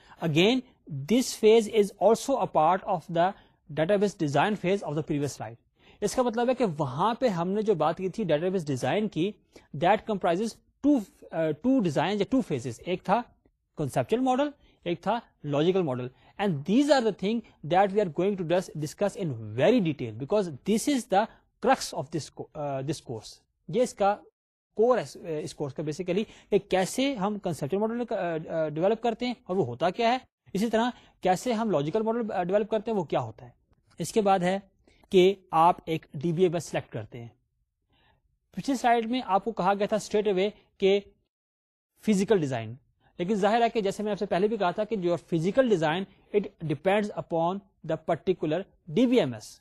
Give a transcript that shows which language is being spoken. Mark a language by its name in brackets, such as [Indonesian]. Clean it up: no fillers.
[English] Again this phase is also a part of the database design phase of the previous slide. [Urdu] اس کا مطلب ہے کہ وہاں پہ ہم نے جو بات کی تھی ڈیٹا بیس ڈیزائن کی, [English] That comprises two design یا two phases. [Urdu] ایک تھا کنسپچل ماڈل, ایک تھا logical model. [English] And these are the thing that we are going to discuss in very detail, because this is the crux of this course. [Urdu] یہ اس کا کور ہے اس course کا basically, کہ کیسے ہم کنسپچل ماڈل ڈیولپ کرتے ہیں اور وہ ہوتا کیا ہے, اسی طرح کیسے ہم لاجیکل ماڈل ڈیولپ کرتے ہیں وہ کیا ہوتا ہے. اس کے بعد ہے کہ آپ ایک ڈی بی اے بس سلیکٹ کرتے ہیں. پچھلی سلائیڈ میں آپ کو کہا گیا تھا اسٹریٹ اوے کہ فزیکل ڈیزائن, لیکن ظاہر ہے کہ جیسے میں آپ سے پہلے بھی کہا تھا کہ [English] Your physical design it depends upon the particular D B M S.